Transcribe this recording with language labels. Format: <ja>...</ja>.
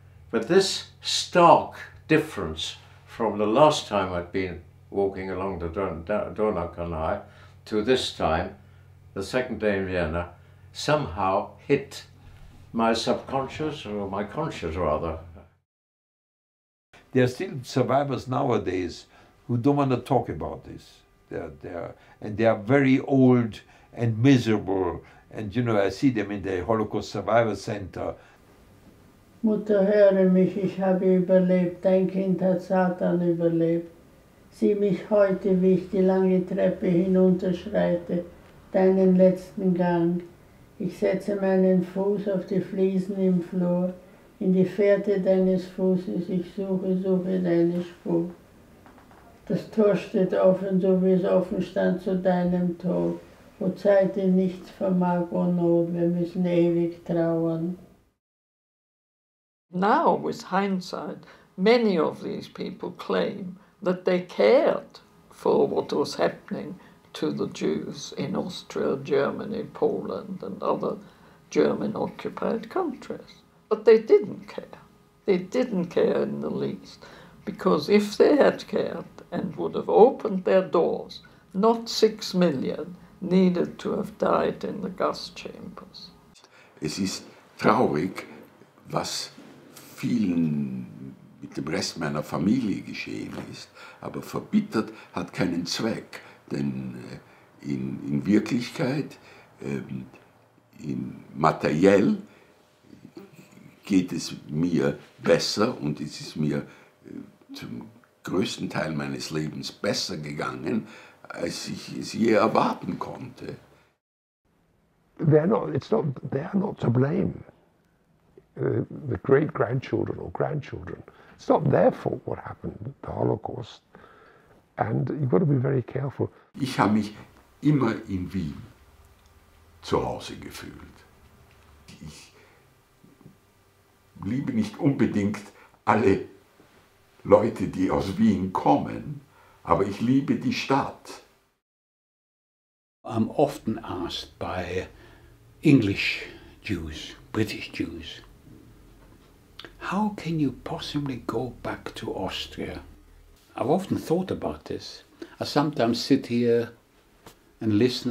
<en>But this stark difference from the last time I'd been walking along the Donau Canal to this time, the second day in Vienna, somehow hit my subconscious, or my conscious rather. There are still survivors nowadays who don't want to talk about this. They are very old and miserable, and you know, I see them in the Holocaust Survivor Center.</en> <de>Mutter, höre mich, ich habe überlebt, dein Kind hat Satan überlebt. Sieh mich heute, wie ich die lange Treppe hinunterschreite, deinen letzten Gang. Ich setze meinen Fuß auf die Fliesen im Flur. in die Fährte deines Fußes, ich suche, suche deine Spur. Das Tor steht offen, so wie es offen stand zu deinem Tod, wo Zeit in nichts vermag, o Not, wir müssen ewig trauern.</de> <en>Now, with hindsight, many of these people claim that they cared for what was happening to the Jews in Austria, Germany, Poland, and other German-occupied countries. But they didn't care. They didn't care in the least, because if they had cared and would have opened their doors, not 6 million needed to have died in the gas chambers.</en> <de>Es ist traurig, was vielen mit dem Rest meiner Familie geschehen ist, aber verbittert hat keinen Zweck, denn in Wirklichkeit, in materiell geht es mir besser und es ist mir zum größten Teil meines Lebens besser gegangen, als ich es je erwarten konnte.</de> <en>They're not to blame. The great-grandchildren or grandchildren. It's not their fault, what happened, the Holocaust. And you've got to be very careful.</en> <de>Ich habe mich immer in Wien zu Hause gefühlt. Ich liebe nicht unbedingt alle Leute, die aus Wien kommen, aber ich liebe die Stadt.</de> <en>I'm often asked by English Jews, British Jews, how can you possibly go back to Austria? I've often thought about this. I sometimes sit here and listen.</en>